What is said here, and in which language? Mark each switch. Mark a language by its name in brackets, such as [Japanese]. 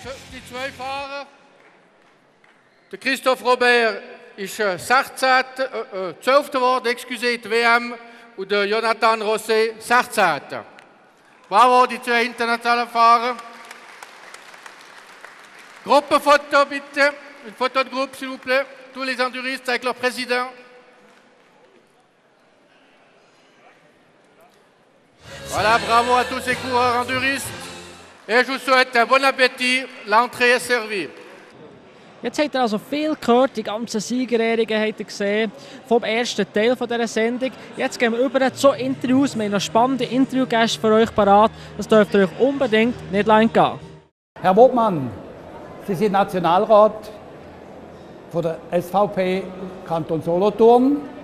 [German] Die zwei Fahrer, der Christophe Robert ist 16. 12. geworden, excusez, die WM, und der Jonathan Rosé 16. Bravo, die zwei internationalen Fahrer. Gruppenfoto bitte. Ein Foto [French] de groupe, s'il vous plaît. Tous les enduristes avec leur président. Voilà, bravo à tous ces coureurs enduristes. Et je vous souhaite un bon appétit. L'entrée est servie. [German] Jetzt habt ihr also viel gehört, die ganzen Siegerehrungen habt ihr gesehen, vom ersten Teil dieser Sendung. Jetzt gehen wir über zu Interviews, wir haben noch spannende Interviewgäste für euch parat. Das dürft ihr euch unbedingt nicht lang gehen. Herr Wobmann, Sie sind Nationalrat von der SVP Kanton Solothurn.